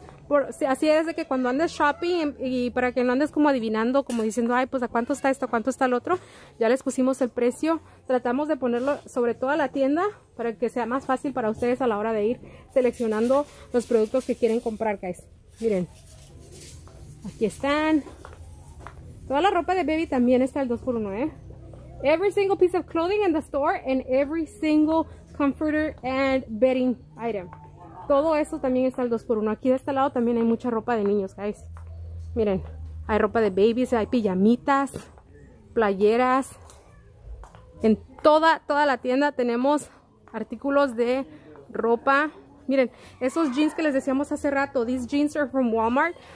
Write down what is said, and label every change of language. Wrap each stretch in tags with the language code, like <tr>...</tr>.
<es>por, así es de que cuando andes shopping y para que no andes como adivinando, como diciendo, ay, pues a cuánto está esto, a cuánto está el otro, ya les pusimos el precio. Tratamos de ponerlo sobre toda la tienda para que sea más fácil para ustedes a la hora de ir seleccionando los productos que quieren comprar, guys. Miren, aquí están. Toda la ropa de baby también está el 2x1, ¿eh?</es> <en>Every single piece of clothing in the store and every single comforter and bedding item.</en> <es>Todo eso también está el 2x1. Aquí de este lado también hay mucha ropa de niños, guys. Miren, hay ropa de babies, hay pijamitas, playeras. En toda la tienda tenemos artículos de ropa. Miren, esos jeans que les decíamos hace rato.</es> <en>These jeans are from Walmart.</en>